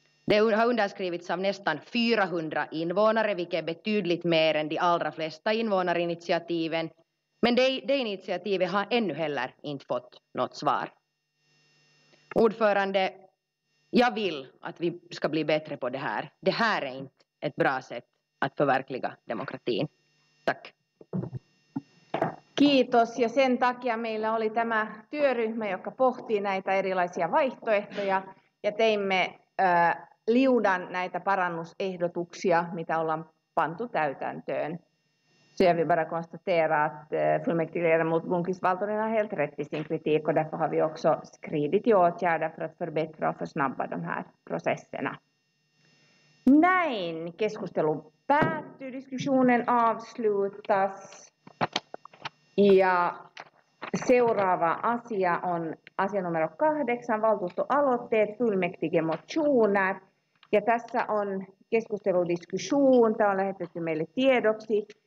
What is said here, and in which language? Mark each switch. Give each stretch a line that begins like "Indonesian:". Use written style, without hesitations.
Swedish: Det har underskrivits av nästan 400 invånare, vilket är betydligt mer än de allra flesta invånarinitiativen. Men det initiativet har ännu heller inte fått något svar. Ordförande, jag vill att vi ska bli bättre på det här. Det här är inte ett bra sätt att förverkliga demokratin. Tack.
Finnish: Kiitos, ja sen takia meillä oli tämä työryhmä, joka pohtii näitä erilaisia vaihtoehtoja, ja teimme liudan näitä parannusehdotuksia, mitä ollaan pantu täytäntöön.
Swedish: Så jag vill bara konstatera att fullmäktigeledamot Blomqvist Valtonen har helt rätt i sin kritik, och därför har vi också skridit i åtgärder för att förbättra och försnabba de här processerna.
Finnish: Näin, keskustelu päättyy,
Swedish: diskussionen avslutas.
Finnish: Ja seuraava asia on asia numero 8, valtuustoaloitteet,
Swedish: fullmäktige motioner.
Finnish: Ja tässä on keskusteludiskussioon, tämä on lähetetty meille tiedoksi.